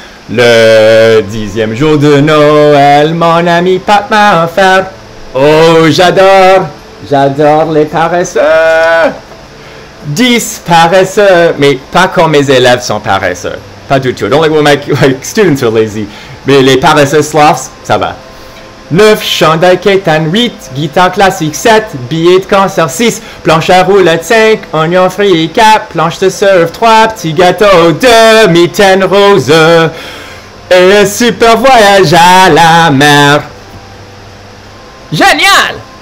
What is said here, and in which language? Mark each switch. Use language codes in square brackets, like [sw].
[fr] Le 10e jour de Noël, mon ami Pat m'a offert. Oh, j'adore les paresseux! 10 paresseux, mais pas quand mes élèves sont paresseux. Pas du tout. [en] Don't like when my students are lazy. [fr] Mais les paresseux sloths, ça va. 9 chandails kétanes, 8 guitares classiques, 7 billets de concert, 6 planches à roulettes, 5 oignons frits, 4 planches de surf, 3 petits gâteaux, 2 mitaines roses et un super voyage à la mer. Génial!